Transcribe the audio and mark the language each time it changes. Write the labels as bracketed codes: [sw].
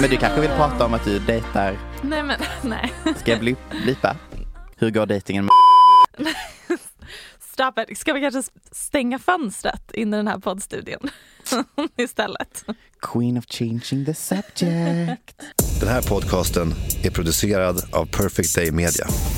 [sv] Men du kanske vill prata om att du dejtar. Nej, men nej. Ska jag blipa? Hur går dejtingen med? [en] Stop it. [sv] Ska vi kanske stänga fönstret in i den här poddstudion istället? [en] Queen of changing the subject. [sv] Den här podcasten är producerad av Perfect Day Media.